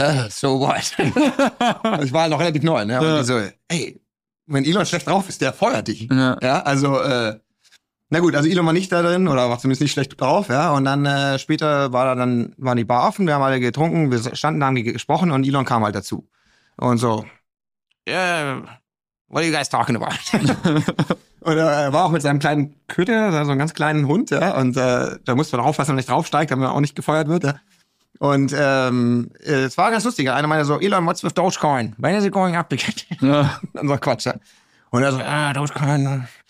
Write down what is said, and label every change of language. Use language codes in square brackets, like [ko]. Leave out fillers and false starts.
[en] So what? [de] Ich war halt noch relativ neu, ne? Und ja. So, ey, wenn Elon schlecht drauf ist, der feuert dich. Ja. Ja, also, na gut, also Elon war nicht da drin oder war zumindest nicht schlecht drauf, ja. Und dann später waren die Bar offen, wir haben alle getrunken, wir standen da, haben gesprochen und Elon kam halt dazu. Und so, [en] yeah, what are you guys talking about? [de] Und er war auch mit seinem kleinen Köter, so einem ganz kleinen Hund, ja. Und da musste man aufpassen, dass er nicht draufsteigt, damit er auch nicht gefeuert wird, ja. Und es war ganz lustig. Einer meinte so, Elon, [en] what's with Dogecoin? When is it going up again? [de] Ja. Dann so Quatsch. Und er so, ah, Dogecoin.